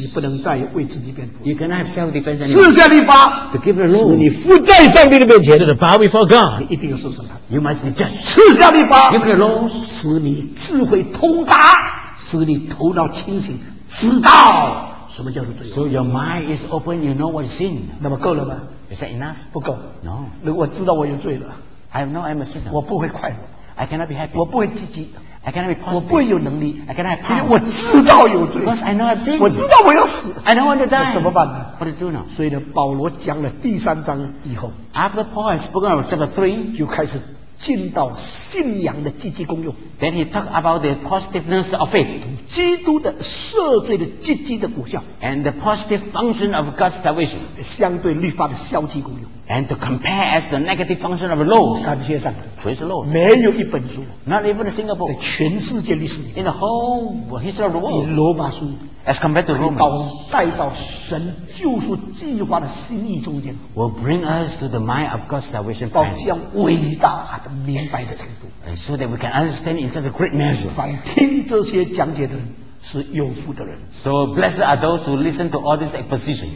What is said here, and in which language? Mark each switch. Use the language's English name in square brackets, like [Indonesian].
[Chinese] 你不能再为自己辩护。 [English] You cannot have self-defense anymore. [Chinese] 赐下律法。 [English] To give the law. [Chinese] 使你伏在上帝的面前。 [English] To the bow before God. [Chinese] 你一定要受审判。 [English] You must be judged. [Chinese] 赐下律法。 [English] Give the law. [Chinese] 使你智慧通达，使你头脑清醒，知道什么叫做罪。 [English] So your mind is open, you know what's sin. [Chinese] 那么够了吗？ [English] Is that enough? [Chinese] 不够。 [English] No. [Chinese] 如果我知道我有罪了， [English] I know I'm a sinner. [Chinese] 我不会快乐。 [English] I cannot be happy. [Chinese] 我不会积极。 [English] I cannot be positive. [Chinese] 我不会有能力。 [English] I cannot have power. [Chinese] 因为我知道有罪。 [English] Because I know I've sinned. [Chinese] 我知道我要死。 [English] I know I'm going to die. [Chinese] 怎么办呢？ [English] What to do now? [Chinese] 所以呢，保罗讲了第三章以后， [English] After Paul has spoken about chapter three, [Chinese] 就开始进到信仰的积极功用。 [English] Then he talked about the positiveness of faith. [Chinese] 基督的赦罪的积极的果效。 [English] And the positive function of God's salvation. [Chinese] 相对律法的消极功用。 [English] And to compare as the negative function of law. [Chinese] 感谢上帝。 [English] Praise the Lord. [Chinese] 没有一本书。 [English] Not even a single book. [Chinese] 在全世界历史里。 [English] In the whole history of the world. [Chinese] 罗马书。 [English] As compared to Romans. [Chinese] 把我们带到神救赎计划的心意中间。 [English] Will bring us to the mind of God's salvation plan. [Chinese] 到这样伟大的明白的程度。 [English] And so that we can understand in such a great measure. [Chinese] 凡听这些讲解的人是有福的人。 [English] So blessed are those who listen to all this exposition.